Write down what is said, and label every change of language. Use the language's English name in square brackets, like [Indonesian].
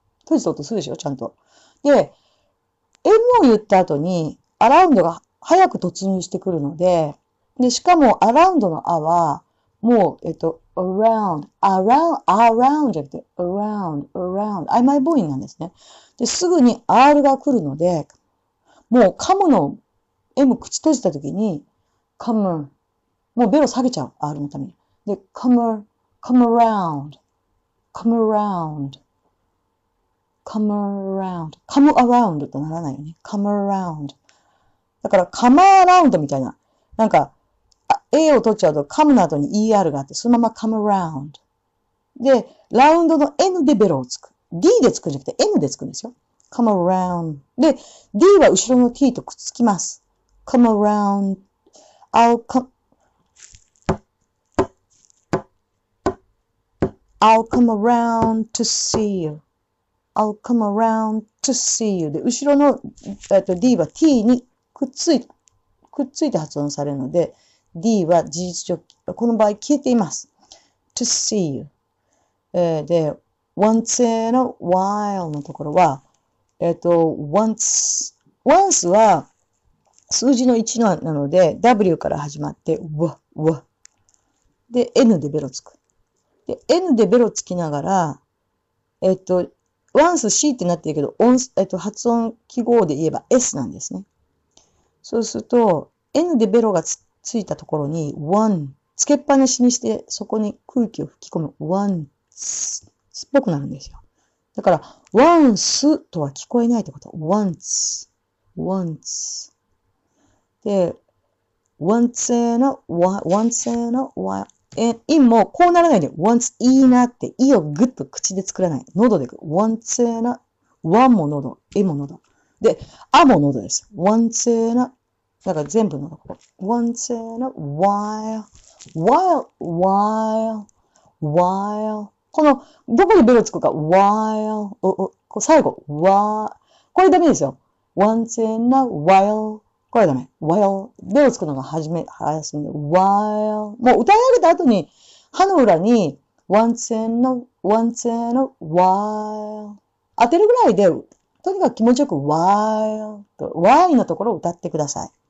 [Japanese] 閉じた音するでしょ、ちゃんと。で、M を言った後に、アラウンドが早く突入してくるので、で、しかも、アラウンドのアは、もう、 [English] around, around, around [Japanese] じゃなくて、around, around, 曖昧母音なんですね。で、すぐに R が来るので、もう、カムの M 口閉じた時に、カム、もうベロ下げちゃう、R のために。 [English] で、come, come around, come around, come around, come around [Japanese] とならないよね。 [English] come around。 [Japanese] だから、 [English] come around [Japanese] みたいな。なんか、A を取っちゃうと、come の後に ER があって、そのまま come around。で、ラウンドの N でベロをつく。D でつくんじゃなくて N でつくんですよ。 [English] come around。 [Japanese] で、D は後ろの T とくっつきます。 [English] come around, I'll come around to see you. I'll come around to see you. [Japanese] で、後ろの D は T にくっついて発音されるので、D は事実上、この場合消えています。 [English] to see you. [Japanese] で、once in a while のところは、once は数字の1のなので、W から始まって、わ、わ。で、N でベロつく。で、N でベロつきながら、once C ってなってるけど、発音記号で言えば S なんですね。そうすると、N でベロがついたところに、one、つけっぱなしにして、そこに空気を吹き込む、once っぽくなるんですよ。だから、once とは聞こえないってこと。 [English] once, once。 [Japanese] で、 [English] once in a while, once in a while, [Japanese] in もこうならないで、once いいなって、いをぐっと口で作らない。喉でいく。 [English] once in a, [Japanese] one も喉、えも喉。で、あも喉です。 [English] once in a, [Japanese] だから全部のところ。 [English] once in a while, while, while, while. [Japanese] この、どこにベロつくか、while, お最後、わ、これダメですよ。 [English] once in a while, [Japanese] これダメ。 while, ベロつくのが始め、早すぎる。while, もう歌い上げた後に、歯の裏に、 [English] once in a, once in a while, [Japanese] 当てるぐらいで、とにかく気持ちよく while, と、why のところを歌ってください。